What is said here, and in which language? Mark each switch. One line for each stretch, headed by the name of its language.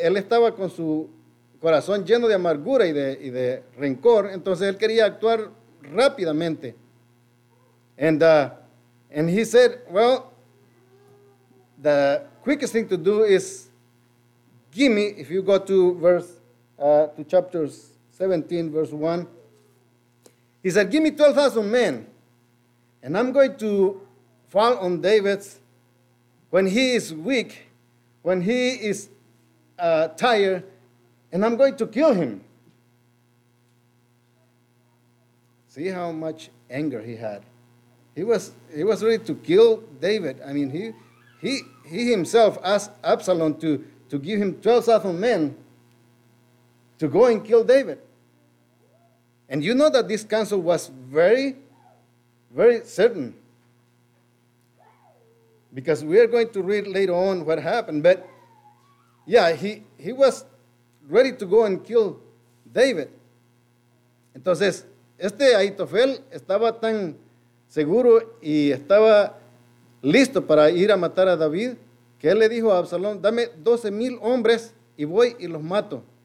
Spanish: Él estaba con su corazón lleno de amargura y de rencor, entonces él quería actuar rápidamente.
English: And he said, well, the quickest thing to do is give me, if you go to chapters 17, verse 1. He said, give me 12,000 men, and I'm going to fall on David when he is weak, when he is tired, and I'm going to kill him. See how much anger he had. He was ready to kill David. I mean, he himself asked Absalom to give him 12,000 men to go and kill David. And you know that this counsel was very, very certain. Because we are going to read later on what happened. But yeah, he was ready to go and kill David.
Spanish: Entonces, este Ahitofel estaba tan seguro y estaba listo para ir a matar a David, que él le dijo a Absalón, dame 12,000 hombres y voy y los mato.